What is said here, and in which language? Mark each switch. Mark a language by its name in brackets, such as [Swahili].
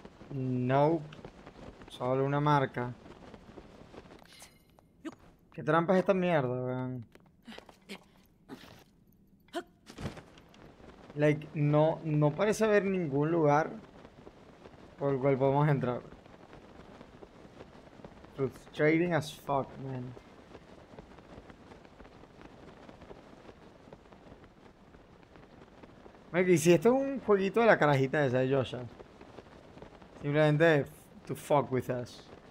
[Spanish] No. Solo una marca. ¿Qué trampa es esta mierda, weón? [English] Like, [Spanish] no parece haber ningún lugar por el cual podemos entrar. [English] Frustrating as fuck, man. [Spanish] Y si esto es un jueguito de la carajita de esa de Yosha. Simplemente [English] to fuck with us.